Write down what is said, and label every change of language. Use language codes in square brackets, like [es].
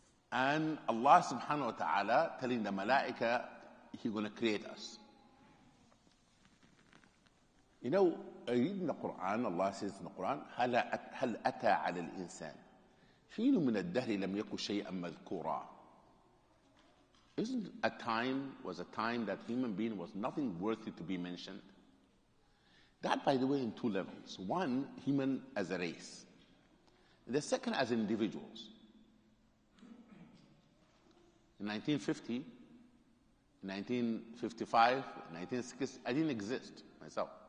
[en] And Allah subhanahu wa ta'ala telling the malaika, he's going to create us. You know, reading the Quran, Allah says in the Quran, [ar] هَلْ أَتَى عَلَى الْإِنسَانِ حِينُ مِنَ الدَّهْرِ لَمْ يَكُ شَيْئًا مَذْكُورًا. [en] Isn't a time that human being was nothing worthy to be mentioned? That, by the way, in two levels. One, human as a race. The second, as individuals. In 1950, in 1955, 1960, I didn't exist myself.